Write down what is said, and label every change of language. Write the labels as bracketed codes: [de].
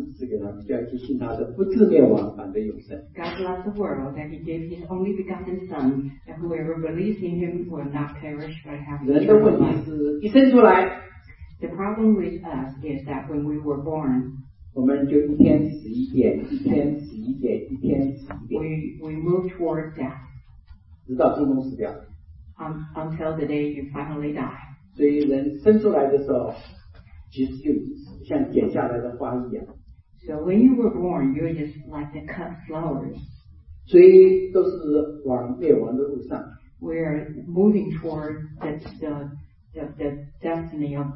[zh] 神爱世人，甚至将他独生子给他们，叫去信他的，不至灭亡，反得永生。 [en] God loved the world that he gave his only begotten son, that whoever believes in him will not perish but have eternal life. [zh] 人的问题是，一生出来。 [en] The problem with us is that when we were born, [zh] 我们就一天死一点，一天死一点，一天死一点。 [en] We move toward death. [zh] 直到终终死掉。 [en] Until the day you finally die. [zh] 所以人生出来的时候，其实就像剪下来的花一样。 [en] So when you were born, you were just like the cut flowers. [zh] 所以都是往灭亡的路上。 [en] We're moving toward the destiny of